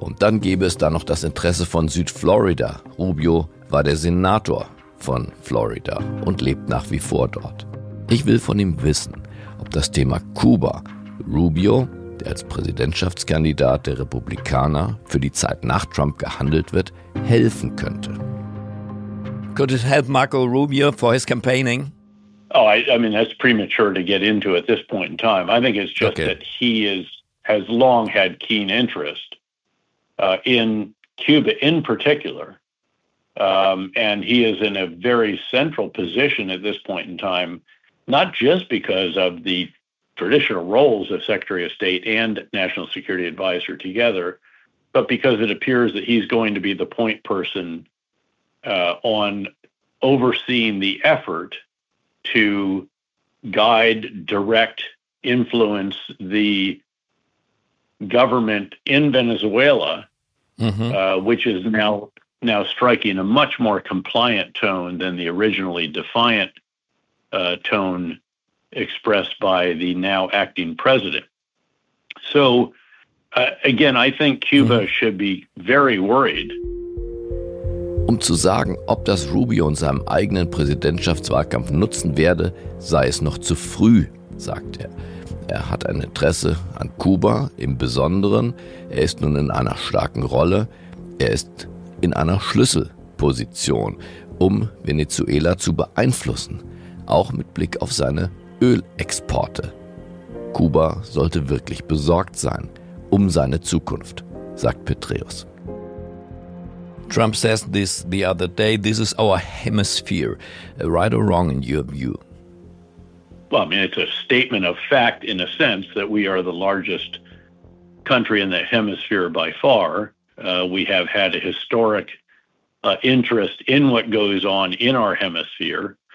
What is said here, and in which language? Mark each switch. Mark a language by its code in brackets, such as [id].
[de] Und dann gäbe es da noch das Interesse von Südflorida. Rubio war der Senator von Florida und lebt nach wie vor dort. Ich will von ihm wissen, ob das Thema Kuba, Rubio, der als Präsidentschaftskandidat der Republikaner für die Zeit nach Trump gehandelt wird, helfen könnte. [en] Could it help Marco Rubio for his campaigning? Oh, I mean, that's premature to get into at this point in time. I think it's just okay. That he has long had keen interest in Cuba in particular. And he is in a very central position at this point in time, not just because of the traditional roles of Secretary of State and National Security Advisor together, but because it appears that he's going to be the point person on overseeing the effort to guide, direct, influence the government in Venezuela, which is now striking a much more compliant tone than the originally defiant tone expressed by the now acting president. So, again, I think Cuba should be very worried. [de] Um zu sagen, ob das Rubio in seinem eigenen Präsidentschaftswahlkampf nutzen werde, sei es noch zu früh, sagt er. Er hat ein Interesse an Kuba im Besonderen. Er ist nun in einer starken Rolle. Er ist in einer Schlüsselposition, um Venezuela zu beeinflussen. Auch mit Blick auf seine Ölexporte. Kuba sollte wirklich besorgt sein um seine Zukunft, sagt Petraeus. [en] Trump says this the other day, this is our hemisphere, right or wrong in your view? Well, I mean, it's a statement of fact in a sense that we are the largest country in the hemisphere by far. We have had a historic interest in what goes on in our hemisphere.